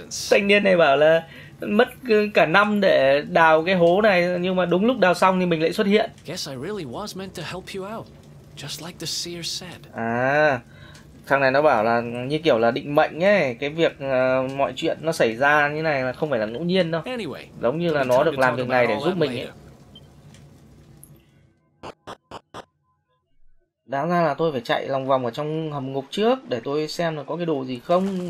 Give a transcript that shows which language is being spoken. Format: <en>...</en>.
<vi>Thanh niên này bảo là mất cả năm để đào cái hố này, nhưng mà đúng lúc đào xong thì mình lại xuất hiện.</vi> <en>Guess I really was meant to help you out, just like the seer said.</en> <vi>À, thằng này nó bảo là như kiểu là định mệnh ấy, cái việc mọi chuyện nó xảy ra như này là không phải là ngẫu nhiên đâu.</vi> <en>Anyway,</en> <vi>giống như là nó được làm việc này để giúp mình ấy. Đáng ra là tôi phải chạy lòng vòng ở trong hầm ngục trước để tôi xem là có cái đồ gì không.</vi>